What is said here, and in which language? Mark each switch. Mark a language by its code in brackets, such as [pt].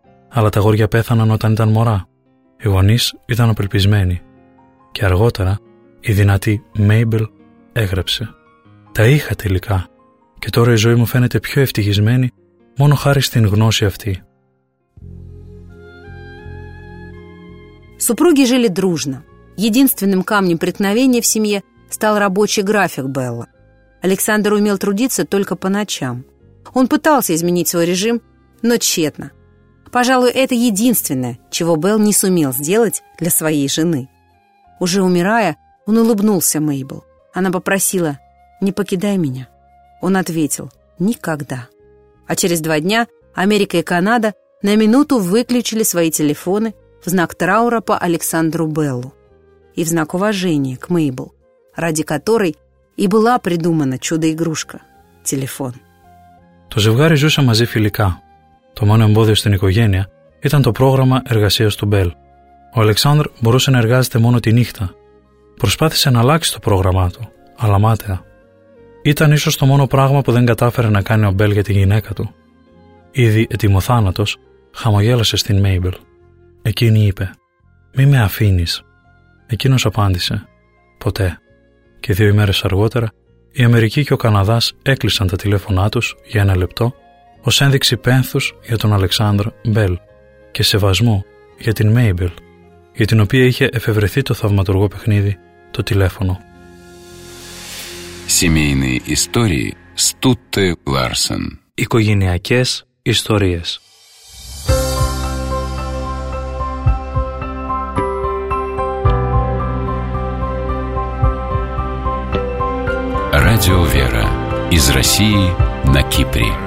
[el] Αλλά τα αγόρια πέθαναν όταν ήταν μωρά. Οι γονείς ήταν απελπισμένοι. Και αργότερα η δυνατή Μέιμπελ έγραψε: «Τα είχα τελικά. Και τώρα η ζωή μου φαίνεται πιο ευτυχισμένη μόνο χάρη στην γνώση αυτή». [ru] Супруги жили дружно. Единственным камнем преткновения в семье стал рабочий график Белла. Александр умел трудиться только по ночам. Он пытался изменить свой режим, но тщетно. Пожалуй, это единственное, чего Белл не сумел сделать для своей жены. Уже умирая, он улыбнулся Мейбл. Она попросила: «Не покидай меня». Он ответил: «Никогда». А через два дня Америка и Канада на минуту выключили свои телефоны в знак траура по Александру Беллу и в знак уважения к Мейбл, ради которой и была придумана чудо-игрушка – телефон. [el] Το ζευγάρι ζούσε μαζί φιλικά. Το μόνο εμπόδιο στην οικογένεια ήταν το πρόγραμμα εργασίας του Μπέλ. Ο Αλεξάνδρ μπορούσε να εργάζεται μόνο τη νύχτα. Προσπάθησε να αλλάξει το πρόγραμμά του, αλλά μάταια. Ήταν ίσως το μόνο πράγμα που δεν κατάφερε να κάνει ο Μπέλ για τη γυναίκα του. Ήδη ετοιμοθάνατος, χαμογέλασε στην Μέιμπελ. Εκείνη είπε: «Μη με αφήνεις». Εκείνος απάντησε: «Ποτέ». Και δύο ημέρες αργότερα, η Αμερική και ο Καναδάς έκλεισαν τα τηλέφωνά τους για ένα λεπτό ως ένδειξη πένθους για τον Αλεξάνδρ Μπέλ και σεβασμού για την Μέιμπελ, για την οποία είχε εφευρεθεί το θαυματουργό παιχνίδι, το τηλέφωνο. [ru] Семейные истории Стутте Ларсен. [el] Οικογενειακές ιστορίες. [ru] Радио Вера. Из России на Кипре.